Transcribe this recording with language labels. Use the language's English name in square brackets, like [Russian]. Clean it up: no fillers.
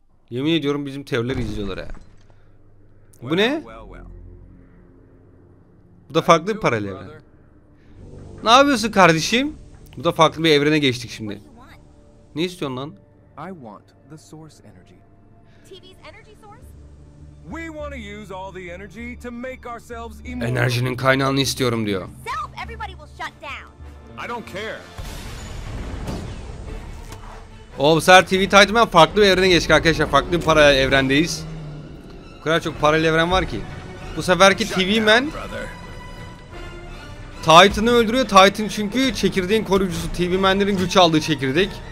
[Turkish] Yemin ediyorum bizim teoriler izliyorlar ya. Bu ne? Bu da farklı bir paralel evren. Ne yapıyorsun kardeşim? Bu da farklı bir evrene geçtik şimdi. Ne istiyorsun lan? [English] I want the source energy. TV's energy source? We want to use all the energy to make ourselves immortal. [Turkish] Enerjinin kaynağını istiyorum diyor. [English] Self, everybody will shut down. I don't care. [Turkish] Oğlum, TV Titan farklı bir evrene geçti arkadaşlar. Farklı bir paralel evrendeyiz. kadar çok paralel evren var ki. Bu seferki TV Man Titan'ı öldürüyor. Titan çünkü çekirdeğin koruyucusu. TV Man'lerin güç aldığı çekirdek.